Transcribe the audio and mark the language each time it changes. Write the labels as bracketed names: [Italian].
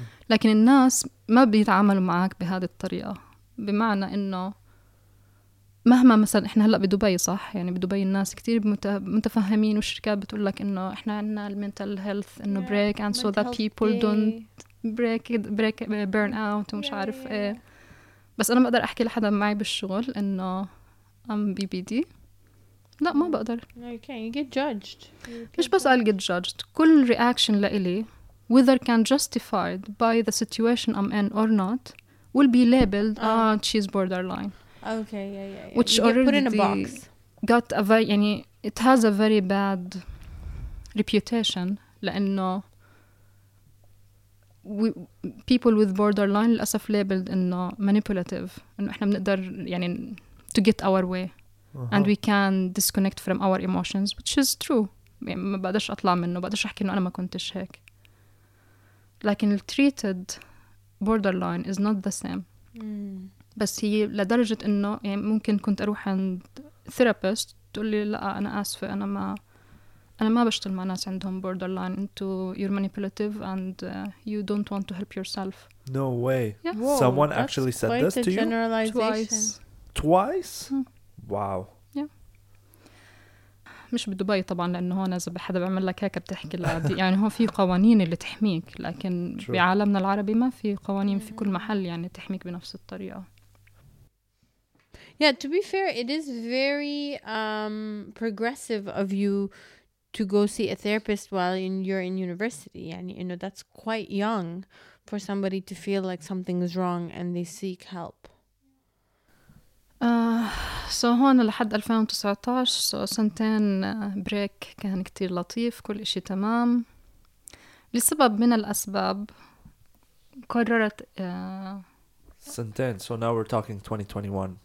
[Arabic] لكن الناس ما بيتعاملوا معك بهذه الطريقة، بمعنى إنه مهما مثلا إحنا هلأ بدبي، صح؟ يعني بدبي الناس كتير متفهمين، والشركات بتقول لك إنه إحنا عندنا المينتال هيلث، إنه بريك [English] and so that people don't break burn out [Arabic] ومش عارف إيه. بس أنا بقدر أحكي لحدا معي بالشغل إنه [English] I'm BPD. [Arabic] لا ما بقدر. [English] No, you can't. You get judged. [Arabic] مش بس [English] I'll get judged. كل reaction لإلي whether can justified by the situation I'm in or not will be labeled she's borderline. Okay, yeah. Which already put in a box. Got a very, يعني it has a very bad reputation. [Arabic] لأنه [English] people with borderline [Arabic] للأسف [English] labeled إنه manipulative. [Arabic] إنه إحنا بنقدر يعني [English] to get our way. Uh-huh. And we can disconnect from our emotions, which is true. [Arabic] يعني ما بقدرش أطلع منه، بقدرش أحكي إنه أنا ما كنتش هيك. لكن التريتد [English] borderline is not the same. [Arabic] بس هي لدرجة إنه يعني ممكن كنت أروح عند therapist تقول لي لا أنا آسفة، أنا ما بشتغل مع ناس عندهم borderline. [English] أنتو you're manipulative and you don't want to help yourself. No way. Yeah. Whoa, someone actually said this to you twice. Wow. [Arabic] مش بدبي طبعا، لانه هون اذا حدا بيعمل لك هيك بتحكي العادي، يعني هون في قوانين اللي تحميك، لكن بعالمنا العربي ما في قوانين في كل محل يعني تحميك بنفس الطريقه. [English] Yeah, to be fair it is very progressive of you to go see a therapist while you're in university. And, you know, that's quite young for somebody to feel like something is wrong and they seek help. [Arabic] So هون لحد 2019 [English] so [Arabic] سنتين break كان كتير لطيف كل إشي تمام لسبب من الأسباب قررت [English] سنتين so now we're talking 2021